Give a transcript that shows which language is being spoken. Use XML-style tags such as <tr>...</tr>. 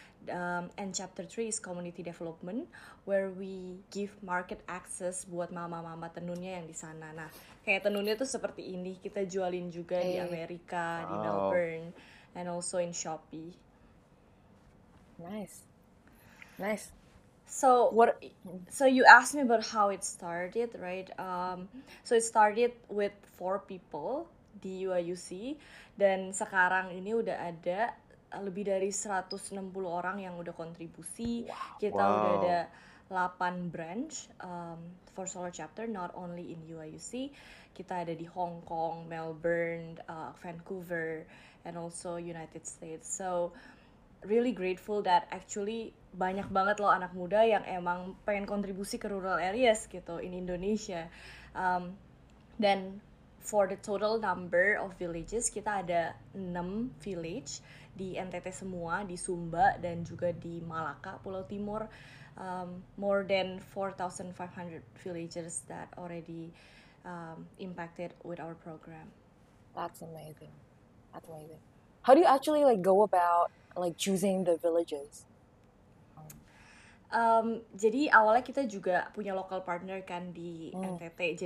<en>And chapter three is community development, where we give market access</en> <id>buat mama-mama tenunnya yang di sana. Nah, kayak tenunnya tuh seperti ini, kita jualin juga di Amerika, di Melbourne, and also in Shopee.</id> <en>Nice. So you asked me about how it started, right? So it started with 4 people</en> <id>di UIUC, dan sekarang ini udah ada lebih dari 160 orang yang udah kontribusi.</id> <en>Wow. Udah ada 8 branch for Solar Chapter, not only in UIUC.</en> <id>Kita ada di Hong Kong, Melbourne, Vancouver,</id> <en>and also United States.</en> <id>So really grateful that actually banyak banget loh anak muda yang emang pengen kontribusi ke rural areas gitu in Indonesia. Then for the total number of villages, kita ada 6 village di NTT semua, di Sumba dan juga di Malaka, Pulau Timur.</id> <en>More than 4,500 villagers that already impacted with our program. That's amazing. How do you actually like go about like choosing the villages?</en> <id>Jadi awalnya kita juga punya local partner kan di NTT.</id>